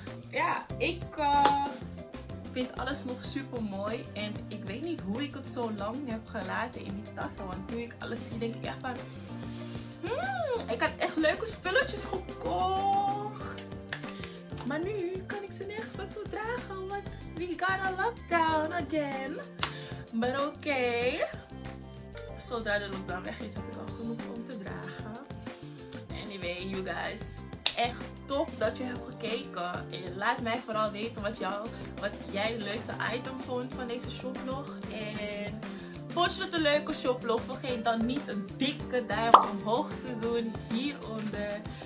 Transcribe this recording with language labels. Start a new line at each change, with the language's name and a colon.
Dutch: Ja, ik vind alles nog super mooi. En ik weet niet hoe ik het zo lang heb gelaten in die tassen. Want nu ik alles zie, denk ik echt van... ik had echt leuke spulletjes gekocht. Maar nu kan ik ze nergens naartoe dragen. Want
English: we got a lockdown again.
Dutch: Maar oké. Okay. Zodra de lockdown weg is, heb ik al genoeg om te dragen.
English: You guys,
Dutch: echt top dat je hebt gekeken. En laat mij vooral weten wat jij de leukste item vond van deze shoplog. En vond je het een leuke shoplog? Vergeet dan niet een dikke duim omhoog te doen hieronder.